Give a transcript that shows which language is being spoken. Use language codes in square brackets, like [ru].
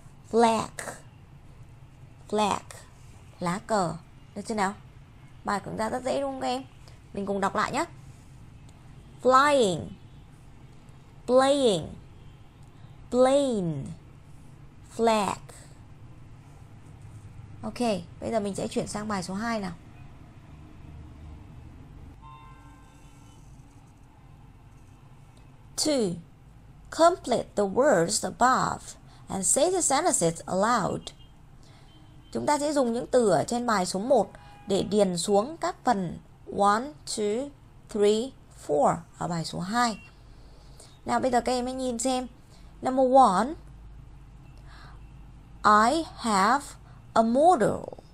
[vi] Flag, lá cờ. Được chưa nào? Bài của chúng ta rất dễ, đúng không em? Mình cùng đọc lại nhé. [en] Flying, playing, plane, flag. [vi] Ok, bây giờ mình sẽ chuyển sang bài số 2 nào. [en] Two, complete the words above and say the sentences aloud. [vi] Chúng ta sẽ dùng những từ ở trên bài số 1 để điền xuống các phần 1, 2, 3, 4 ở bài số 2. Nào bây giờ các em hãy nhìn xem. [en] Number 1, I have a model.